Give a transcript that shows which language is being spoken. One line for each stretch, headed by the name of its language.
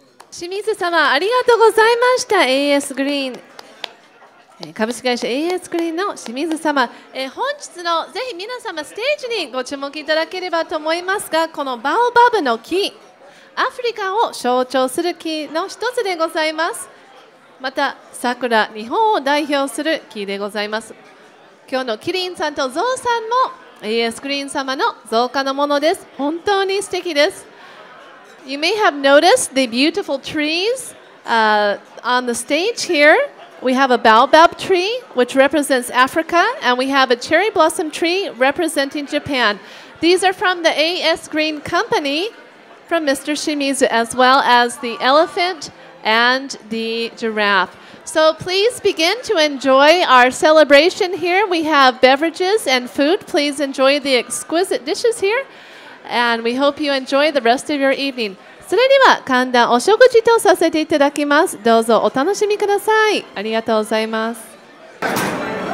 Japanese: 清水様、ありがとうございました。AS グリーン株式会社 AS グリーンの清水様、本日のぜひ皆様ステージにご注目いただければと思いますが、このバオバブの木、アフリカを象徴する木の一つでございます。また桜、日本を代表する木でございます。今日のキリンさんとゾウさんも AS グリーン様の造花のものです。本当に素敵です。
English: You may have noticed the beautiful trees、on the stage here. We have a baobab tree which represents Africa, and we have a cherry blossom tree representing Japan. These are from the AS Green company, from Mr. Shimizu, as well as the elephantand the giraffe. So please begin to enjoy our celebration here. We have beverages and food. Please enjoy the exquisite dishes here. And we hope you enjoy the rest of your evening.
Japanese: それでは、歓談お食事とさせていただきます。どうぞお楽しみください。ありがとうございます。